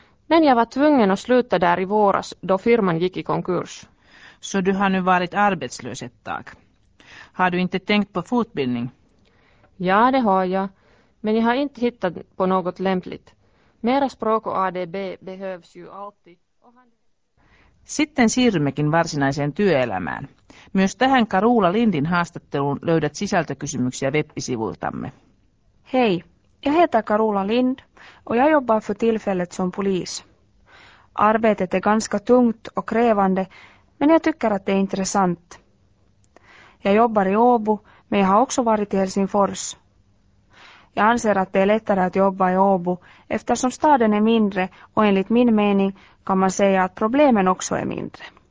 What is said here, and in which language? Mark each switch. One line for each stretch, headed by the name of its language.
Swedish: Men jag var tvungen att sluta där i våras då firman gick i konkurs. Så du har nu varit arbetslös ett tag. Har du inte tänkt på fortbildning? Ja, det har jag. Men jag har inte hittat på något lämpligt. Mera språk och ADB behövs ju alltid.
Finnish: Sitten siirrymmekin varsinaiseen työelämään. Myös tähän Karula Lindin haastatteluun löydät sisältökysymyksiä web-sivultamme.
Swedish: Hei. Jag heter Karola Lind och jag jobbar för tillfället som polis. Arbetet är ganska tungt och krävande, men jag tycker att det är intressant. Jag jobbar i Åbo, men jag har också varit i Helsingfors. Jag anser att det är lättare att jobba i Åbo eftersom staden är mindre och enligt min mening kan man säga att problemen också är mindre.